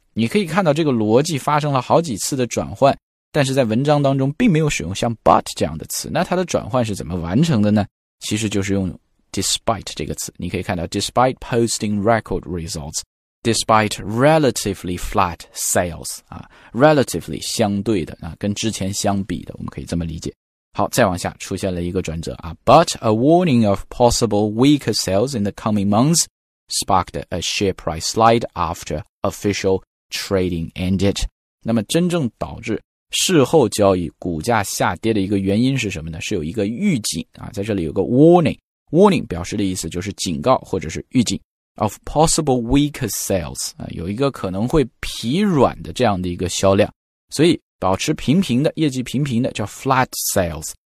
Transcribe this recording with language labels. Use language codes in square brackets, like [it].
[zh] 你可以看到这个逻辑发生了好几次的转换，但是在文章当中并没有使用像 but 这样的词，那它的转换是怎么完成的呢？其实就是用 despite 这个词，你可以看到 despite posting record results, despite relatively flat sales, 啊 relatively 相对的啊，跟之前相比的，我们可以这么理解。 [en] 好，再往下出现了一个转折啊， but a warning of possible weaker sales in the coming months sparked a share price slide after official trading ended. [zh] 那么真正导致事后交易股价下跌的一个原因是什么呢？是有一个预警啊，在这里有个 warning, warning 表示的意思就是警告或者是预警。 Of possible weaker sales, 有一个可能会疲软的这样的一个销量，所以保持平平的业绩平平的叫 flat sales。